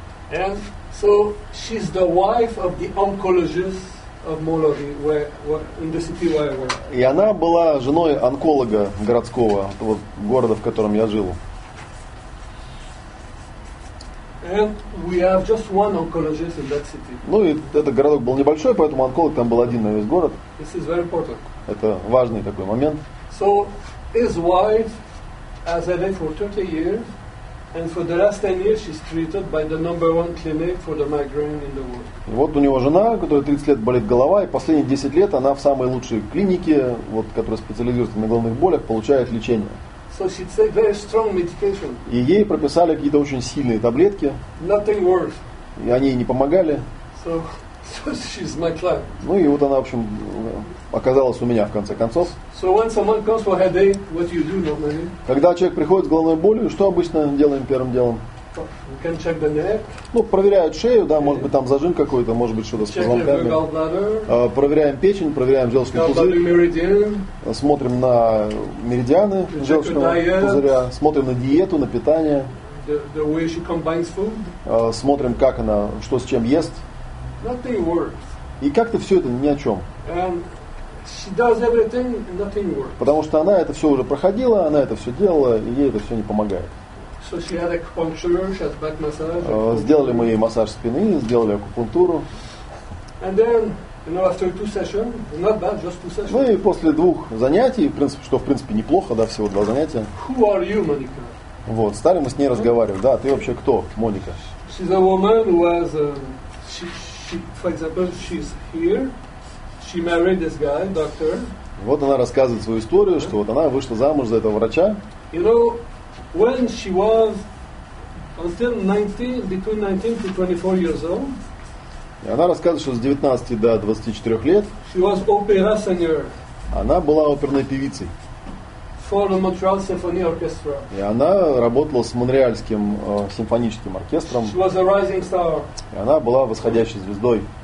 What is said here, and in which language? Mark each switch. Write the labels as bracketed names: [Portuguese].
[English] And so she's the wife of the oncologist of Molody, where in the city where I work. [Russian] И она была женой онколога городского, вот города, в котором я жил. [English] And we have just one oncologist in that city. [Russian] Ну и этот городок был небольшой, поэтому онколог там был один на весь город. [English] This is very important. [Russian] Это важный такой момент. [English] So his wife has had it for 30 years, and for the last 10 years she's treated by the number one clinic for the migraine in the world. [Russian] И вот у него жена, которая 30 лет болит голова, и последние 10 лет она в самой лучшей клинике, вот, которая специализируется на головных болях, получает лечение. [English] So she took very strong medication. [Russian] И ей прописали какие-то очень сильные таблетки. [English] Nothing worked. [Russian] И они ей не помогали. [English] So she's my client. [Russian] Ну и вот она, в общем, оказалась у меня в конце концов. [English] So when someone comes for headache, what you do normally? [Russian] Когда человек приходит с головной болью, что обычно делаем первым делом? [English] We can check the neck. [Russian] Ну, проверяют шею, да, может быть там зажим какой-то, может быть что-то с позвонками. Проверяем печень, проверяем желчный пузырь. Смотрим на меридианы желчного пузыря. Смотрим на диету, на питание. [English] The way she combines food. [Russian] Смотрим, как она, что с чем ест. [English] Nothing works. [Russian] И как-то все это ни о чем. [English] She does everything, nothing works. [Russian] Потому что она это все уже проходила, она это все делала, и ей это все не помогает. [English] So she had acupuncture, she has back massage. [Russian] Сделали мы ей массаж спины, сделали акупунктуру. [English] And then, you know, after two sessions, not bad, just two sessions. [Russian] Ну и после двух занятий, в принципе неплохо, да, всего два занятия. [English] Who are you, Monica? [Russian] Вот, стали мы с ней разговаривать. Да, ты вообще кто, Моника? [English] She's a woman who has, she, for example, she's here. She married this guy, doctor. [Russian] Вот она рассказывает свою историю, что вот она вышла замуж за этого врача. [English] You know, when she was until 19, between 19 to 24 years old. [Russian] И она рассказывает, что с 19 до 24 лет. [English] She was opera singer. [Russian] Она была оперной певицей. [English] for the Montreal Symphony Orchestra. [Russian] И она работала с Монреальским симфоническим оркестром. [English] She was a rising star. [Russian] И она была восходящей звездой.